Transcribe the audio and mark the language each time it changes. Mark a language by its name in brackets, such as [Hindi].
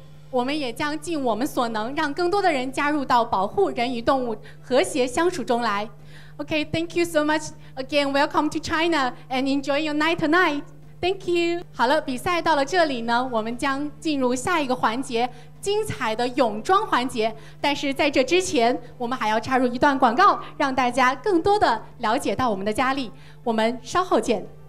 [Chinese] 我们也将尽我们所能，让更多的人加入到保护人与动物和谐相处中来。 [English] OK, thank you so much again. Welcome to China and enjoy your night tonight. Thank you. [Chinese] 好了，比赛到了这里呢，我们将进入下一个环节，精彩的泳装环节。但是在这之前，我们还要插入一段广告，让大家更多的了解到我们的佳丽。我们稍后见。